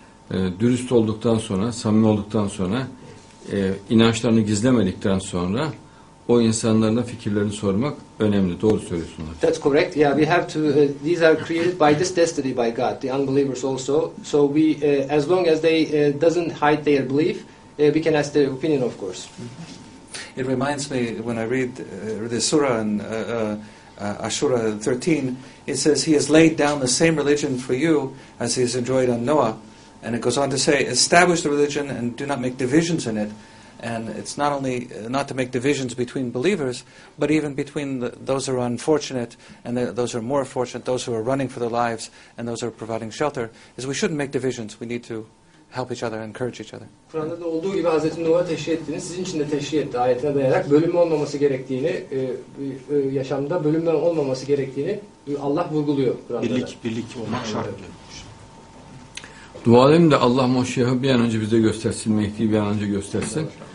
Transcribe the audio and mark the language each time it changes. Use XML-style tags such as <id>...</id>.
<tr>Dürüst olduktan sonra, samimi olduktan sonra, inançlarını gizlemedikten sonra o insanların da fikirlerini sormak önemli. Doğru söylüyorsunlar.</tr> <en>That's correct. Yeah, we have to these are created by this destiny by God, the unbelievers also. So we as long as they doesn't hide their belief, we can ask their opinion of course. It reminds me when I read the surah in Ashura 13, it says he has laid down the same religion for you as he has enjoyed on Noah, and it goes on to say establish the religion and do not make divisions in it. And it's not only not to make divisions between believers, but even between those who are unfortunate and those who are more fortunate, those who are running for their lives and those who are providing shelter, is we shouldn't make divisions. We need to help each other, encourage each other.</en> <tr>Kur'an'da da olduğu gibi Hazreti Noah'a teşhir ettiğini, sizin için de teşhir etti ayetine dayanarak bölünme olmaması gerektiğini, yaşamda bölünme olmaması gerektiğini Allah vurguluyor Kur'an'da. Birlik olmak şartlı. Dua edelim de Allah Moşiyah'ı bir an önce bize göstersin, Mehdi'yi bir an önce göstersin.</tr>